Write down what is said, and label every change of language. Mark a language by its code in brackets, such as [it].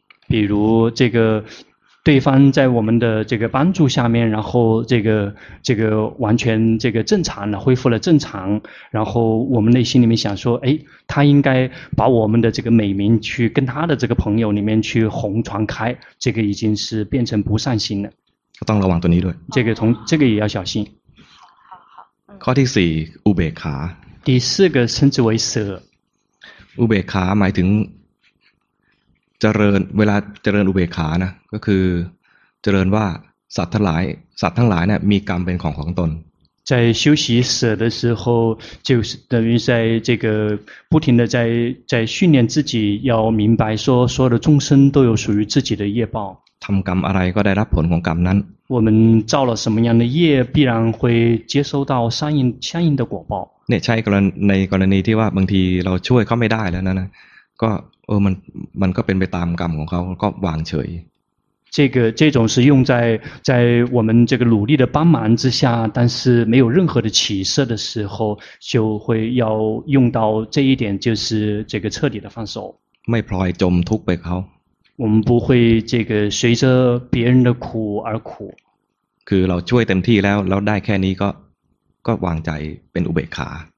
[zh] 比如这个对方在我们的这个帮助下面，然后这个完全这个正常的恢复了正常，然后我们内心里面想说，哎，他应该把我们的这个美名去跟他的这个朋友里面去红传开，这个已经是变成不善心了。当老王对你对，这个也要小心。好好。 [th] ข้อที่สี่อุเบกขา。 [zh] 第四个称之为舍。 [th] อุเบกขาหมายถึงเจริญเวลาเจริญอุเบกขานะก็คือเจริญว่าสัตว์ทั้งหลายเนี่ยมีกรรมเป็นของของตน [zh] 在修习舍的时候就是等于在这个不停的在训练自己要明白说所有的众生都有属于自己的业报 [th] ทำกรรมอะไรก็ได้รับผลของกรรมนั้น [zh] 我们造了什么样的业必然会接收到相应的果报 [th] เนี่ยใช่ในกรณีที่ว่าบางทีเราช่วยเขาไม่ได้แล้วนะก็มันก็เป็นไปตามกรรมของเขาก็วางเฉย [zh] 这种是用在我们这个努力的帮忙之下但是没有任何的起色的时候就会要用到这一点就是这个彻底的放手 [th] ไม่พลอยจมทุกข์ไปเขา [zh] 我们不会这个随着别人的苦而苦 [th] คือเราช่วยเต็มที่แล้วแล้วได้แค่นี้ก็วางใจเป็นอุเบกขา